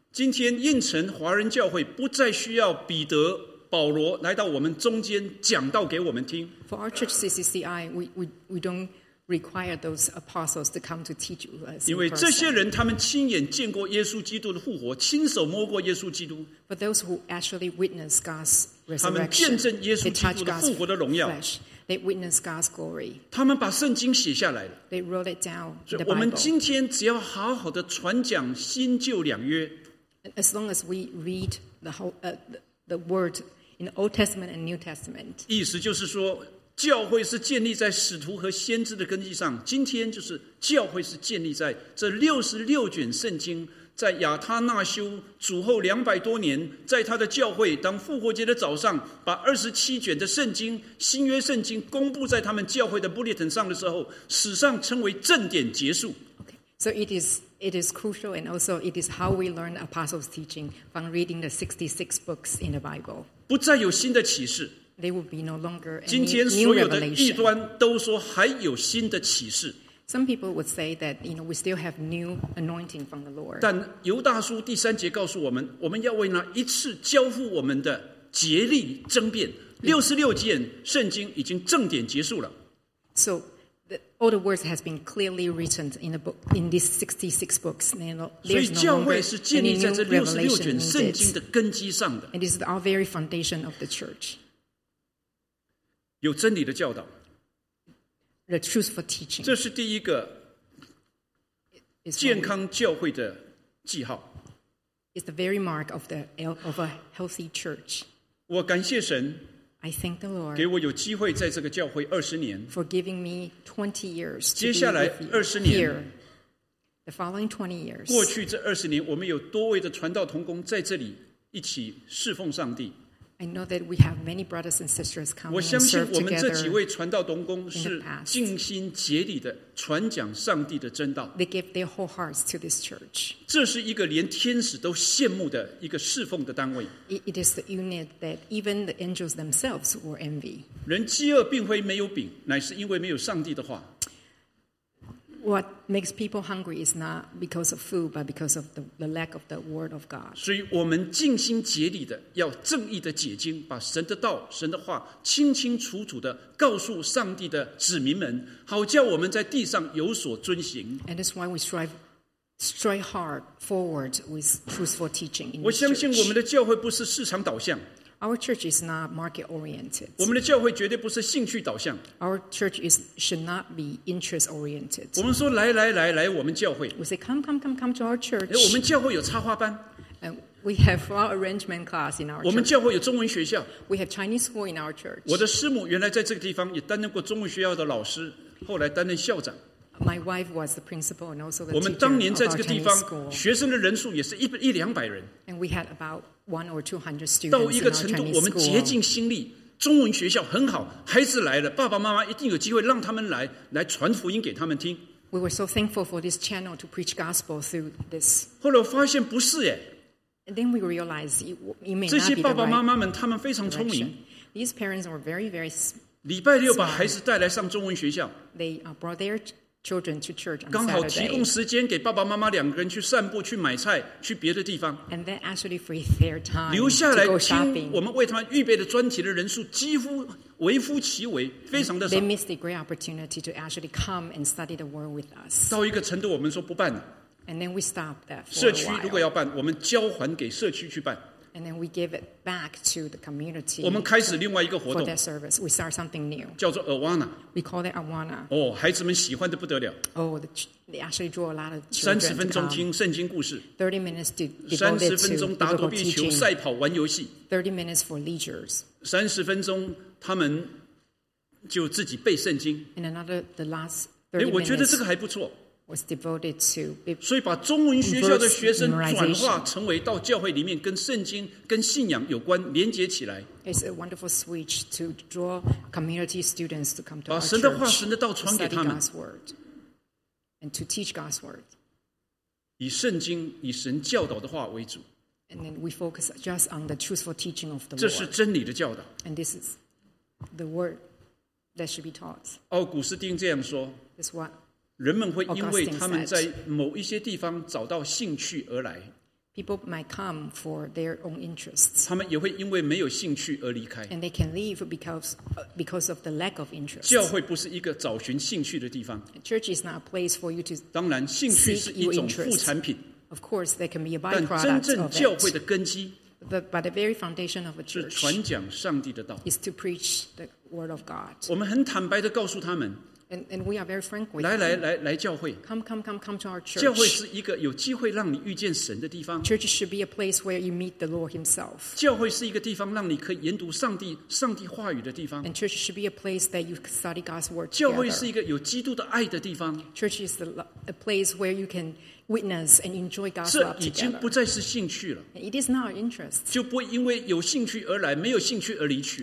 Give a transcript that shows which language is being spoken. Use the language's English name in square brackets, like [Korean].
[Chinese] 今天应承华人教会不再需要彼得保罗来到我们中间讲道给我们听。 [English] For our church CCCI, we don't require those apostles to come to teach us. [Chinese] 因为这些人他们亲眼见过耶稣基督的复活，亲手摸过耶稣基督。 [English] For those who actually witness God's resurrection, [Chinese] 他们见证耶稣基督的复活的荣耀。 [English] They witness God's glory. [Chinese] 他们把圣经写下来了。 [English] They wrote it down. [Chinese] 所以我们今天只要好好的传讲新旧两约。 [English] As long as we read the whole, the word in the Old Testament and New Testament. [Chinese] 意思就是说，教会是建立在使徒和先知的根基上。今天就是教会是建立在这六十六卷圣经，在亚他那修主后两百多年，在他的教会当复活节的早上，把二十七卷的圣经新约圣经公布在他们教会的 bulletin 上的时候，史上称为正典结束。 [English] So it is crucial, and also it is how we learn apostles' teaching from reading the 66 books in the Bible. [Chinese] 不再有新的启示。 [English] There will be no longer any new revelation. [Chinese] 今天所有的异端都说还有新的启示。 [English] Some people would say that you know we still have new anointing from the Lord. [Chinese] 但犹大书第三节告诉我们，我们要为那一次交付我们的竭力争辩。六十六卷圣经已经正典结束了。 [English] So. All the words have been clearly written in the book, in these 66 books. There's no longer any new revelation in it. And this is our very foundation of the church. [Chinese] 有真理的教导。 [English] The truthful teaching. [Chinese] 这是第一个健康教会的记号。 [English] It's the very mark of a healthy church. [Chinese] 我感谢神。 [English] I thank the Lord [Chinese] 给我有机会在这个教会二十年 [English] for giving me 20 years. [Chinese] 接下来二十年 [English] here, the following 20 years. [Chinese] 过去这二十年，我们有多位的传道同工在这里一起侍奉上帝。 [English] I know that we have many brothers and sisters coming and serve together. [Chinese] 我相信我们这几位传道同工是尽心竭力的传讲上帝的真道。 [English] They give their whole hearts to this church. [Chinese] 这是一个连天使都羡慕的一个侍奉的单位。 [English] It is the unit that even the angels themselves were envy. [Chinese] 人饥饿并非没有饼，乃是因为没有上帝的话。 [English] What makes people hungry is not because of food, but because of the lack of the word of God. [Chinese] 所以我们尽心竭力的要正义的解经，把神的道、神的话清清楚楚的告诉上帝的子民们，好叫我们在地上有所遵行。 [English] And that's why we strive hard forward with truthful teaching. [Chinese] 我相信我们的教会不是市场导向。 [English] Our church is not market oriented. [Chinese] 我们的教会绝对不是兴趣导向。 [English] Our church is should not be interest oriented. [Chinese] 我们说来来来来我们教会。 [English] We say come to our church. [Chinese] 我们教会有插花班。 [English] And we have flower arrangement class in our church. [Chinese] 我们教会有中文学校。 [English] We have Chinese school in our church. [Chinese] 我的师母原来在这个地方也担任过中文学校的老师，后来担任校长。 [English] My wife was the principal and also the teacher. [Chinese] 我们当年在这个地方，学生的人数也是一两百人。 [English] And we had about one or two hundred students. [Chinese] 到一个程度，我们竭尽心力，中文学校很好，孩子来了，爸爸妈妈一定有机会让他们来传福音给他们听。 [English] We were so thankful for this channel to preach gospel through this. [Chinese] 后来我发现不是耶。 [English] And then we realized it may not be the right. [Chinese] 这些爸爸妈妈们，他们非常聪明。 [English] These parents were very, very [Chinese] 礼拜六把孩子带来上中文学校。 [English] They brought their children to church on Saturday. [Chinese] 刚好提供时间给爸爸妈妈两个人去散步、去买菜、去别的地方。 [English] And then actually free their time. [Chinese] 留下来听我们为他们预备的专题的人数几乎微乎其微，非常的少。 [English] They missed a great opportunity to actually come and study the word with us. [Chinese] 到一个程度，我们说不办了。 [English] And then we stopped that for a while. [Chinese] 社区如果要办，我们交还给社区去办。 [English] And then we give it back to the community. [Chinese] 我们开始另外一个活动。 [English] For that service, we start something new. [Chinese] 叫做 Awana. [English] We call it Awana. [Chinese] 哦，孩子们喜欢的不得了。 [English] Oh, they actually draw a lot of children. [Chinese] 30分钟听圣经故事。 [English] 30 minutes to devote to biblical teaching. [Chinese] 30分钟打躲避球、赛跑、玩游戏。 [English] 30 minutes for leisure. [Chinese] 30分钟，他们就自己背圣经。 [English] And another, the last 30 minutes. [Chinese] 我觉得这个还不错。 [English] Was devoted to. [Chinese] 所以把中文学校的学生转化成为到教会里面跟圣经、跟信仰有关，连接起来。 [English] It's a wonderful switch to draw community students to come to our church. [Chinese] 把神的话、神的道传给他们。 [English] To study God's word and to teach God's word. [Chinese] 以圣经、以神教导的话为主。 [English] And then we focus just on the truthful teaching of the word. [Chinese] 这是真理的教导。 [English] And this is the word that should be taught. [Chinese] 奥古斯丁这样说。 [English] This what. [Chinese] 人们会因为他们在某一些地方找到兴趣而来。 [English] People might come for their own interests. [Chinese] 他们也会因为没有兴趣而离开。 [English] And they can leave because of the lack of interest. [Chinese] 教会不是一个找寻兴趣的地方。 [English] Church is not a place for you to. [Chinese] 当然，兴趣是一种副产品。 [English] Of course, they can be a byproduct of it. [Chinese] 但真正教会的根基。 [English] But the very foundation of a church [Chinese] 是传讲上帝的道。 [English] Is to preach the word of God. [Chinese] 我们很坦白地告诉他们。 [English] And we are very frank with you. [Chinese] 来来来来教会。 [English] Come to our church. [Chinese] 教会是一个有机会让你遇见神的地方。 [English] Church should be a place where you meet the Lord himself. [Chinese] 教会是一个地方让你可以研读上帝话语的地方。 [English] And church should be a place that you study God's word together. [Chinese] 教会是一个有基督的爱的地方。 [English] Church is a place where you can witness and enjoy God's love together. [Chinese] 这已经不再是兴趣了。 [English] It is not our interest. [Chinese] 就不会因为有兴趣而来，没有兴趣而离去。